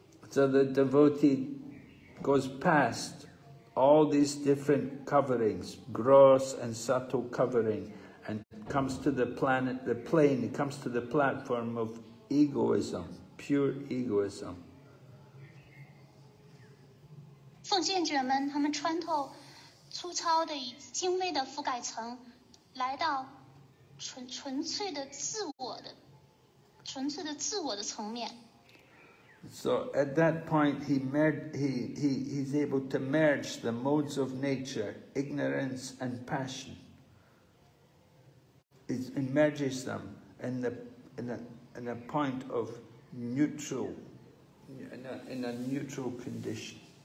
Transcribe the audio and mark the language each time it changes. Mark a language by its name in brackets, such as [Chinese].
[English] So the devotee goes past all these different coverings, gross and subtle covering, and comes to the planet, the plane, comes to the platform of egoism, pure egoism. [Chinese] 奉献者们，他们穿透粗糙的、精微的覆盖层，来到纯粹的自我的层面。So [English] at that point, he's able to merge the modes of nature, ignorance and passion. It merges them in a point of neutral, in a neutral condition.